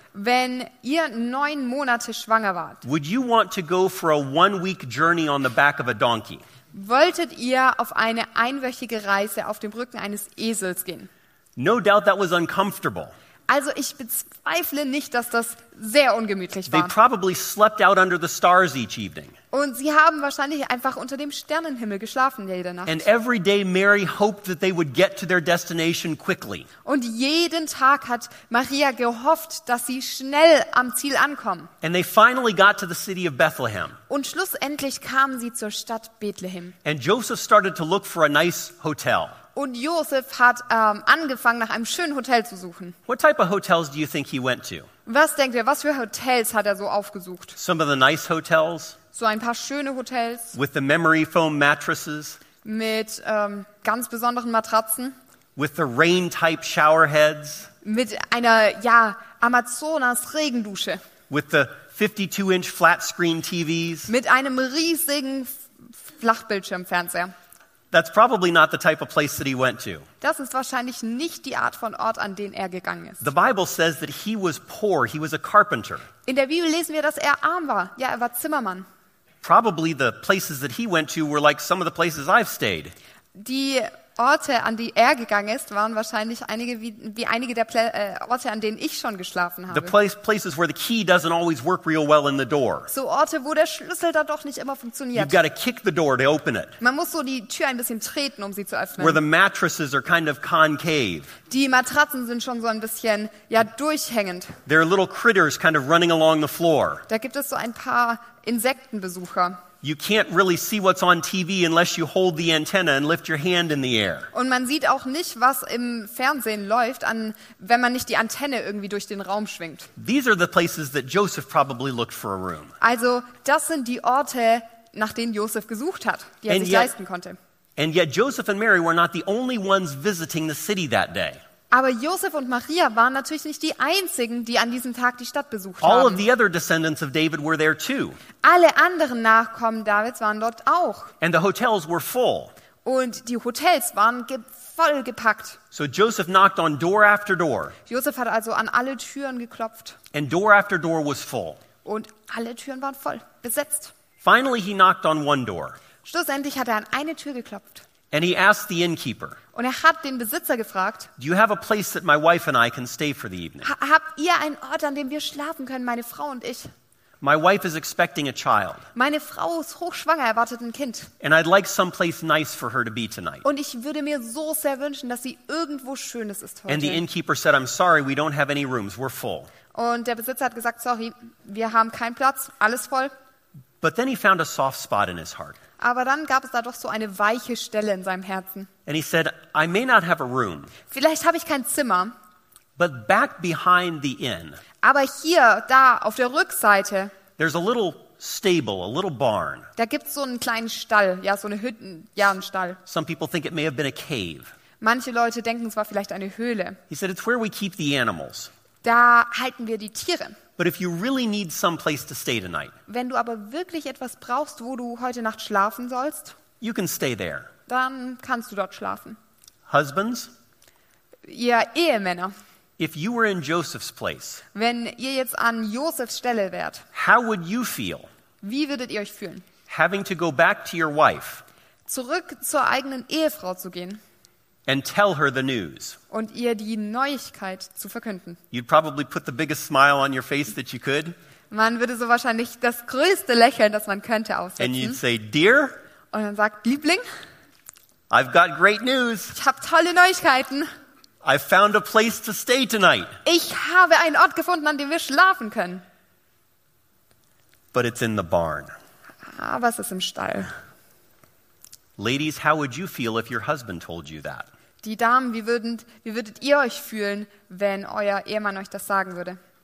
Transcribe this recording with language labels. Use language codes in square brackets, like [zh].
[de] wenn ihr 9 Monate schwanger wart, [en] would you want to go for a 1 week journey on the back of a donkey? [de] Wolltet ihr auf eine einwöchige Reise auf dem Rücken eines Esels gehen? [en] No doubt that was uncomfortable. [de] Also ich bezweifle nicht, dass das sehr ungemütlich war. [en] They probably slept out under the stars each evening. [de] Und sie haben wahrscheinlich einfach unter dem Sternenhimmel geschlafen jede Nacht. [en] And every day Mary hoped that they would get to their destination quickly. [de] Und jeden Tag hat Maria gehofft, dass sie schnell am Ziel ankommen. [en] And they finally got to the city of Bethlehem. [de] Und schlussendlich kamen sie zur Stadt Bethlehem. [en] And Joseph started to look for a nice hotel. [de] Und Josef hat angefangen, nach einem schönen Hotel zu suchen. [en] What type of hotels do you think he went to? [de] Was denkt ihr, was für Hotels hat er so aufgesucht? [en] Some of the nice hotels. [de] So ein paar schöne Hotels. [en] With the memory foam mattresses. [de] Mit ganz besonderen Matratzen. [en] With the rain-type showerheads. [de] Mit einer, ja, Amazonas-Regendusche. [en] With the 52-inch flat-screen TVs. [de] Mit einem riesigen Flachbildschirmfernseher. [en] That's probably not the type of place that he went to. [de] Das ist wahrscheinlich nicht die Art von Ort, an den er gegangen ist. [en] The Bible says that he was poor. He was a carpenter. [de] In der Bibel lesen wir, dass er arm war. Ja, er war Zimmermann. [en] Probably the places that he went to were like some of the places I've stayed. [de] Die Orte, an die er gegangen ist, waren wahrscheinlich einige wie einige der Orte, an denen ich schon geschlafen habe. [en] The places where the key doesn't always work real well in the door. [de] So Orte, wo der Schlüssel da doch nicht immer funktioniert. [en] You've got to kick the door to open it. [de] Man muss so die Tür ein bisschen treten, um sie zu öffnen. [en] Where the mattresses are kind of concave. [de] Die Matratzen sind schon so ein bisschen, ja, durchhängend. [en] There are little critters kind of running along the floor. [de] Da gibt es so ein paar Insektenbesucher. [en] You can't really see what's on TV unless you hold the antenna and lift your hand in the air. [de] Und man sieht auch nicht, was im Fernsehen läuft, wenn man nicht die Antenne irgendwie durch den Raum schwingt. [en] These are the places that Joseph probably looked for a room. [de] Also, das sind die Orte, nach denen Joseph gesucht hat, die er sich leisten konnte. [en] And yet Joseph and Mary were not the only ones visiting the city that day. [de] Aber Josef und Maria waren natürlich nicht die einzigen, die an diesem Tag die Stadt besucht [en] All [de] haben. [en] Of the other descendants of David were there too. [de] Alle anderen Nachkommen Davids waren dort auch. [en] And the hotels were full. [de] Und die Hotels waren voll gepackt. [en] So Joseph knocked on door after door. [de] Josef hat also an alle Türen geklopft. [en] And door after door was full. [de] Und alle Türen waren voll, besetzt. [en] Finally he knocked on one door. [de] Schlussendlich hat er an eine Tür geklopft. [en] And he asked the innkeeper. [de] Und er hat den Besitzer gefragt. [en] Do you have a place that my wife and I can stay for the evening? [de] Habt ihr einen Ort, an dem wir schlafen können, meine Frau und ich? [en] My wife is expecting a child. [de] Meine Frau ist hochschwanger, erwartet ein Kind. [en] And I'd like some place nice for her to be tonight. [de] Und ich würde mir so sehr wünschen, dass sie irgendwo schönes ist heute. [en] And the innkeeper said, I'm sorry, we don't have any rooms. We're full. [de] Und der Besitzer hat gesagt, sorry, wir haben keinen Platz, alles voll. [en] But then he found a soft spot in his heart. [de] Aber dann gab es da doch so eine weiche Stelle in seinem Herzen. [en] And he said, I may not have a room. [de] Vielleicht habe ich kein Zimmer. [en] But back behind the inn. [de] Aber hier, da, auf der Rückseite. [en] There's a little stable, a little barn. [de] Da gibt's so einen kleinen Stall, ja, so eine Hütte, ja, einen Stall. [en] Some people think it may have been a cave. [de] Manche Leute denken, es war vielleicht eine Höhle. [en] He said, it's where we keep the animals. [de] Da halten wir die Tiere. [en] But if you really need some place to stay tonight, [de] wenn du aber wirklich etwas brauchst, wo du heute Nacht schlafen sollst, [en] you can stay there. [de] Dann kannst du dort schlafen. [en] Husbands, [de] ihr Ehemänner, [en] if you were in Joseph's place, [de] wenn ihr jetzt an Josefs Stelle wärt, [en] how would you feel? [de] Wie würdet ihr euch fühlen? [en] Having to go back to your wife, [de] zurück zur eigenen Ehefrau zu gehen. [en] And tell her the news. [de] Und ihr die Neuigkeit zu verkünden. [en] You'd probably put the biggest smile on your face that you could. [de] Man würde so wahrscheinlich das größte Lächeln, das man könnte, aufsetzen. [en] And you'd say, dear. [de] Und dann sagt, Liebling. [en] I've got great news. [de] Ich habe tolle Neuigkeiten. [en] I found a place to stay tonight. [de] Ich habe einen Ort gefunden, an dem wir schlafen können. [en] But it's in the barn. [de] Aber es ist im Stall. [en] Ladies, how would you feel if your husband told you that? [de] Die Damen, wie würdet ihr euch fühlen, wenn euer Ehemann euch das sagen würde?